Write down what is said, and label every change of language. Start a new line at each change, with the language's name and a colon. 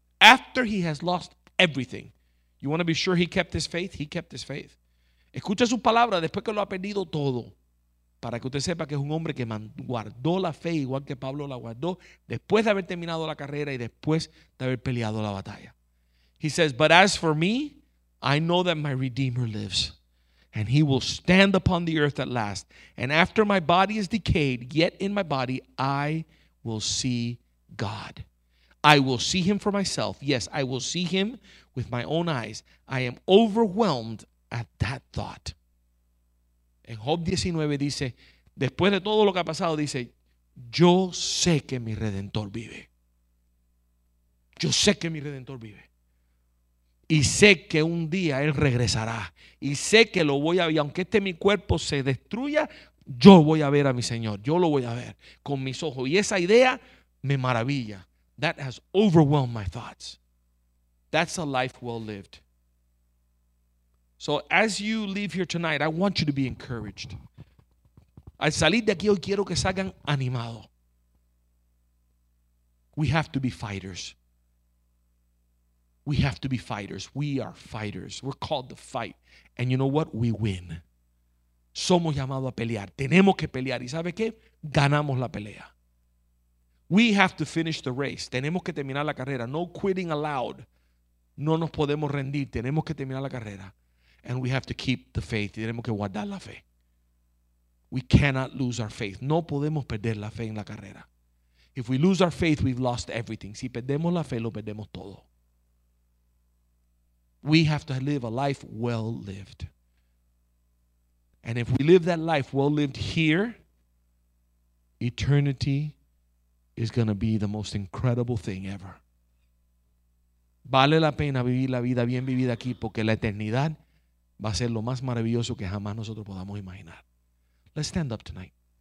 English: After he has lost everything, you want to be sure he kept his faith? He kept his faith.
Spanish: Escucha su palabra después que lo ha perdido todo. Para que usted sepa que es un hombre que guardó la fe igual que Pablo la guardó después de haber terminado la carrera y después de haber peleado la batalla.
English: He says, but as for me, I know that my Redeemer lives, and he will stand upon the earth at last. And after my body is decayed, yet in my body, I will see God. I will see him for myself. Yes, I will see him with my own eyes. I am overwhelmed at that thought.
Spanish: En Job 19 dice, después de todo lo que ha pasado, dice, yo sé que mi Redentor vive. Yo sé que mi Redentor vive. Y sé que un día Él regresará. Y sé que lo voy a ver. Aunque este mi cuerpo se destruya, yo voy a ver a mi Señor. Yo lo voy a ver con mis ojos. Y esa idea me maravilla.
English: That has overwhelmed my thoughts. That's a life well lived. So as you leave here tonight, I want you to be encouraged.
Spanish: Al salir de aquí hoy quiero que salgan animados.
English: We have to be fighters. We have to be fighters. We are fighters. We're called to fight. And you know what? We win.
Spanish: Somos llamados a pelear. Tenemos que pelear. ¿Y sabe qué? Ganamos la pelea.
English: We have to finish the race.
Spanish: Tenemos que terminar la carrera.
English: No quitting allowed.
Spanish: No nos podemos rendir. Tenemos que terminar la carrera.
English: And we have to keep the faith.
Spanish: Tenemos que guardar la fe.
English: We cannot lose our faith.
Spanish: No podemos perder la fe en la carrera.
English: If we lose our faith, we've lost everything.
Spanish: Si perdemos la fe, lo perdemos todo.
English: We have to live a life well lived. And if we live that life well lived here, eternity is going to be the most incredible thing ever.
Spanish: Vale la pena vivir la vida bien vivida aquí porque la eternidad va a ser lo más maravilloso que jamás nosotros podamos imaginar.
English: Let's stand up tonight.